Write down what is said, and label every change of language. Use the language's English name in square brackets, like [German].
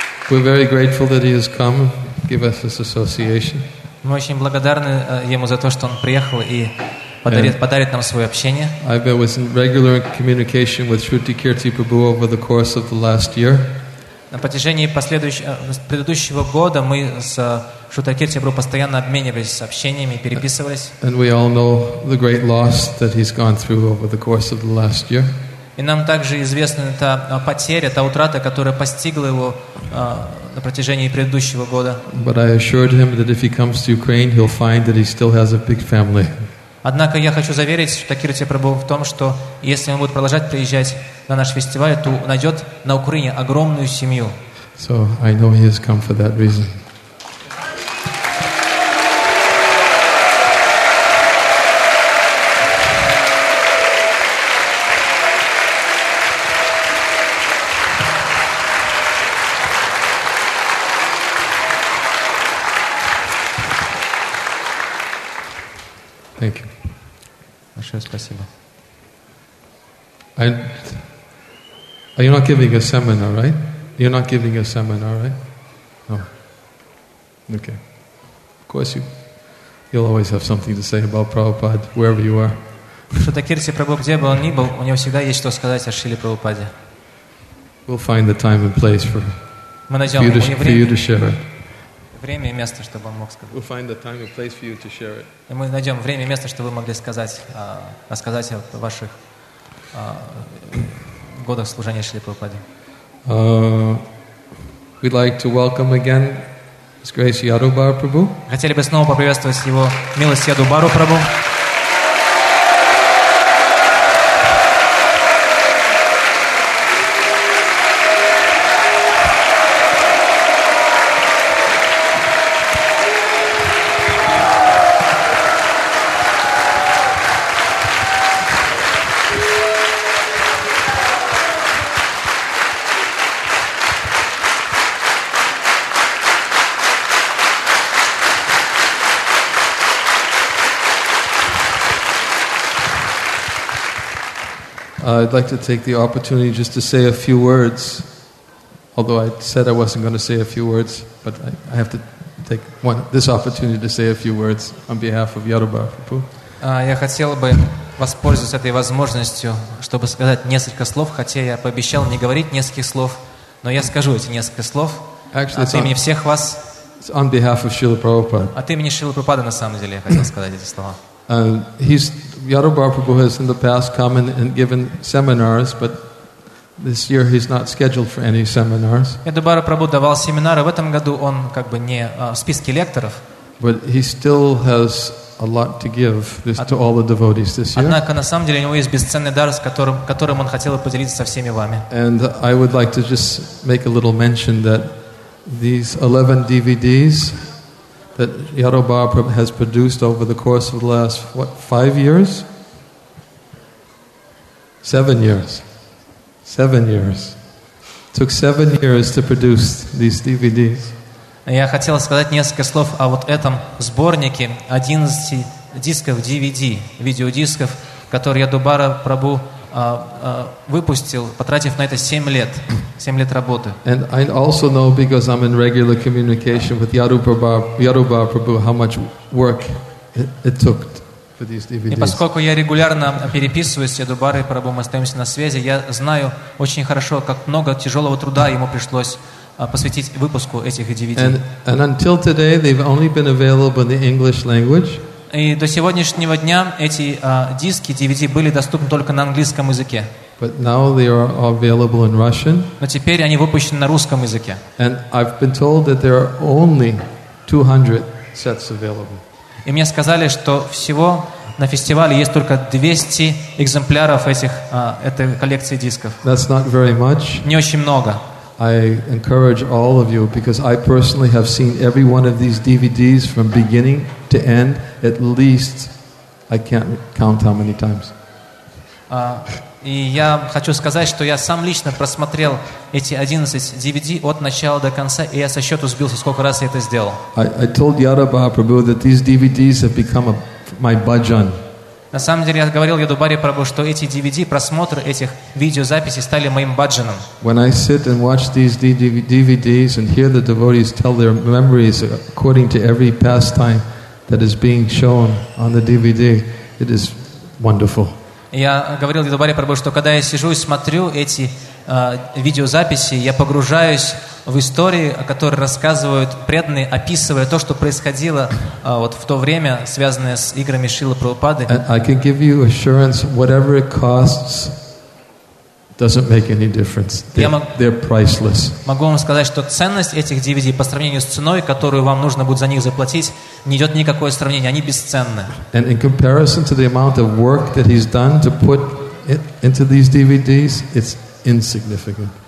[English] We're very grateful that he has come and give us this association. [Russian] Мы очень благодарны ему за то, что он приехал и подарит нам свое общение. [English] I've been in regular communication with Shruti Kirti Prabhu over the course of the last year. [Russian] На протяжении предыдущего года мы с Шрути Кирти Прабху постоянно обменивались сообщениями, переписывались. [English] And we all know the great loss that he's gone through over the course of the last year. [Russian] И нам также известна та потеря, та утрата, которая постигла его на протяжении предыдущего года. [English] But I assured him that if he comes to Ukraine, he'll find that he still has a big family. [Russian] Однако я хочу заверить Шрути Кирти Прабху в том, что если он будет продолжать приезжать на наш фестиваль, то найдет на Украине огромную семью. [English] So I know he has come for that reason. Thank you. [Russian] Большое спасибо. [English] Are you not giving a seminar, right? You're not giving a seminar, right? No. Okay. Of course you'll always have something to say about Prabhupada wherever you are. [Russian] Шрути Кирти Прабху, где бы он ни был, у него всегда есть что сказать о Шриле Прабхупаде. [English] We'll find the time and place for you to share it. [Russian] Время и место, чтобы он мог сказать. [English] We'll find the time and place for you to share it. [Russian] И мы найдем время и место, чтобы вы могли рассказать о ваших годах служения Шриле Прабхупаде. [English] We'd like to welcome again His Grace Yadubar Prabhu. [Russian] Хотели бы снова поприветствовать его милость Ядубару Прабху. [English] I'd like to take the opportunity just to say a few words. Although I said I wasn't going to say a few words, but I have to take this opportunity to say a few words on behalf of Yadubar Prabhu. [Russian] Я хотел бы воспользоваться этой возможностью, чтобы сказать несколько слов, хотя я пообещал не говорить нескольких слов, но я скажу эти несколько слов [English] Actually, [Russian] от имени всех вас. [English] It's on behalf of Srila Prabhupada. [Russian] От имени Шрилы Прабхупады, на самом деле, я хотел сказать эти слова. [English] He's Yadav Barprabhu has in the past come and given seminars, but this year he's not scheduled for any seminars. [Russian] Yadav Barprabhu давал семинары, в этом году он как бы не в списке лекторов. [English] But he still has a lot to give this to all the devotees this year. [Russian] Однако на самом деле у него есть бесценный дар, с которым он хотел бы поделиться со всеми вами. [English] And I would like to just make a little mention that these 11 DVDs that Yadav Barprabhu has produced over the course of the last, what, 5 years? 7 years. 7 years. It took 7 years to produce these DVDs. [Russian] Я хотел сказать несколько слов о вот этом сборнике 11 дисков DVD, видеодисков, которые Yadav Barprabhu выпустил, потратив на это 7 лет работы. [English] And I also know, because I'm in regular communication with Yadav Barprabhu, how much work it took for these DVDs. [Russian] И поскольку я регулярно переписываюсь с Yadav Barprabhu, мы остаемся на связи, я знаю очень хорошо, как много тяжелого труда ему пришлось посвятить выпуску этих DVD. [English] And until today, they've only been available in the English language. [Russian] И до сегодняшнего дня эти диски, DVD, были доступны только на английском языке. [English] But now they are available in Russian. [Russian] Но теперь они выпущены на русском языке. [English] And I've been told that there are only 200 sets available. [Russian] И мне сказали, что всего на фестивале есть только 200 экземпляров этой коллекции дисков. [English] That's not very much. [Russian] Не очень много. [English] I encourage all of you, because I personally have seen every one of these DVDs from beginning to end, at least, I can't count how many times. [Russian] И я хочу сказать, что я сам лично просмотрел эти 11 DVD от начала до конца, и я со счету сбился, сколько раз я это сделал. [English] I told Yadav Barprabhu that these DVDs have become my bhajan. [Russian] На самом деле, я говорил Yadav Barprabhu, что эти DVD, просмотры этих видеозаписей стали моим баджаном. [English] When I sit and watch these DVDs and hear the devotees tell their memories according to every pastime that is being shown on the DVD, it is wonderful. [Russian] Я говорил Yadav Barprabhu, что когда я сижу и смотрю эти видеозаписи, я погружаюсь в истории, о которой рассказывают преданные, описывая то, что происходило вот в то время, связанное с играми Шрилы Прабхупады. [English] I can give you assurance, whatever it costs doesn't make any difference. They're priceless. [Russian] Могу вам сказать, что ценность этих DVD по сравнению с ценой, которую вам нужно будет за них заплатить, не идет никакое сравнение. Они бесценны. [English] And in comparison to the amount of work that he's done to put it into these DVDs, it's insignificant.